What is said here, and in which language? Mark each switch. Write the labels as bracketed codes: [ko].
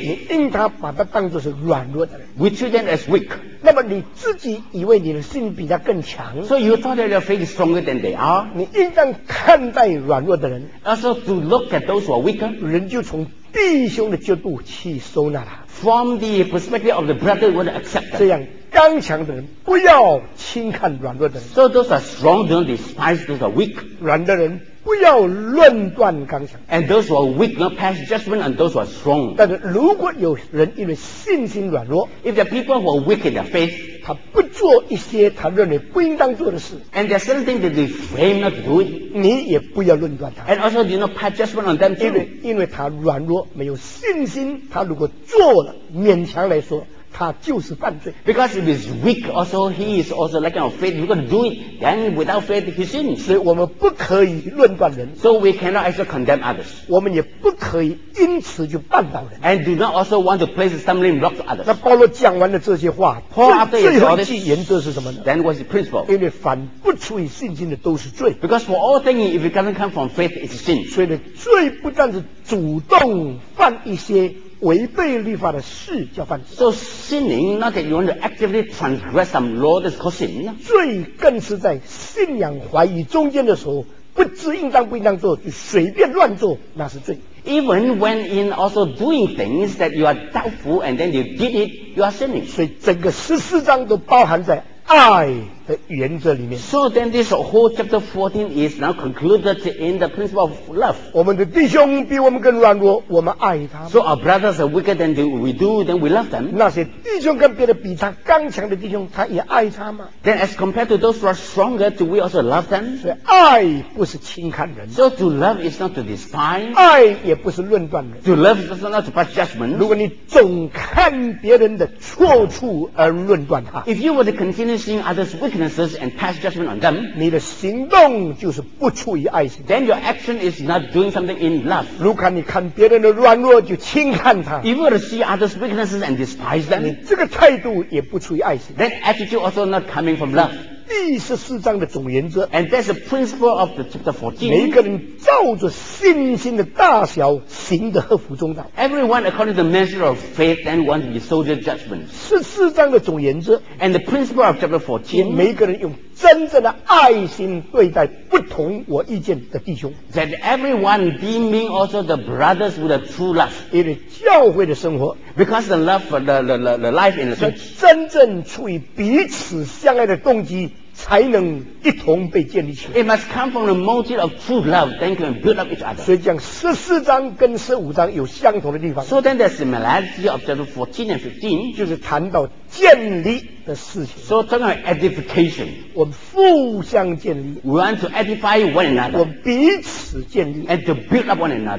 [zh] 你应当把它当作是软弱的人。 [en] We treat them as weak. [zh] 那么你自己以为你的信比他更强， [en] So you thought that your faith is stronger than they are. [zh] 你应当看待软弱的人， [en] Also to look at those who are weaker. [zh] 人就从弟兄的角度去收纳他。 [en] From the perspective of the brother, you want to accept them. [zh] 这样刚强的人不要轻看软弱的人。 [en] So those are strong don't despise those are weak. [zh] 软的人不要论断刚强。 [en] And those who are weak not pass judgment on those who are strong. [zh] 但是如果有人因为信心软弱， [en] If there are people who are weak in their faith, [zh] 他不做一些他认为不应当做的事， [en] And there are certain things that they frame not to do it, [zh] 你也不要论断他。 [en] And also do not pass judgment on them too. [zh] 因为他软弱没有信心，他如果做了勉强来说他就是犯罪。 [en] Because if he's weak, also he is also lacking of faith. We're going to do it. Then without faith, he sins. [zh] 所以我们不可以论断人。 [en] So we cannot actually condemn others. [zh] 我们也不可以因此就绊倒人。 [en] And do not also want to place stumbling blocks to others. [zh] 那保罗讲完了这些话， [en] Paul after he said this, [zh] 最后一句原则是什么呢？ [en] Then what's the principle? [zh] 因为凡不出于信心的都是罪。 [en] Because for all things, if it doesn't come from faith, it's sin. [zh] 所以呢，罪不但是主动犯一些违背律法的事叫犯罪。 [en] So sinning, not that you want to actively transgress some law, that's called sin. [zh] 罪更是在信仰怀疑中间的时候，不知应当不应当做，就随便乱做，那是罪。 [en] even when in also doing things that you are doubtful and then you did it, you are sinning. [zh] 所以整个十四章都包含在爱的原则里面。 [en] So then this whole chapter 14 is now concluded in the principle of love. [zh] 我们的弟兄比我们更软弱，我们爱他们。 [en] So our brothers are weaker than we do, then we love them. [zh] 那些弟兄跟别人比他刚强的弟兄，他也爱他吗？ [en] Then as compared to those who are stronger, do we also love them? [zh] 所以爱不是轻看人。 [en] So to love is not to despise. [zh] 爱也不是论断人。 [en] To love is not to pass judgment. [zh] 如果你总看别人的错处而论断他。 [en] If you were to continue seeing others weaker and pass judgment on them, [zh] 你的行动就是不出于爱心。 [en] Then your action is not doing something in love. [zh] 如果你看别人的软弱就轻看他。 [en] If you see others' weaknesses and despise them, [zh] 你这个态度也不出于爱心。 [en] That attitude also not coming from love. [zh] 第十四章的总原则。 [en] And that's the principle of the chapter 14. [zh] 每一个人照着信心的大小行得合乎中道。 [en] Everyone according to the measure of faith and want to be soldier judgment. [zh] 十四章的总原则。 [en] And the principle of chapter 14. [zh] 每一个人用真正的爱心对待不同我意见的弟兄。 [en] That everyone deeming also the brothers with a true love. [zh] 因为教会的生活。 [en] Because the love for the life in the church. [zh] 是真正出于彼此相爱的动机。才能一同被建立起来。 [en] It must come from the motive of true love, then can build up each other. [zh] 所以讲十四章跟十五章有相同的地方。 [en] So then the similarity of chapter 14 and 15, [zh] 就是谈到建立的事情。 [en] So talking about edification. [zh] 我们互相建立。 [en] We want to edify one another. [zh] 我们彼此建立。 [en] And to build up one another.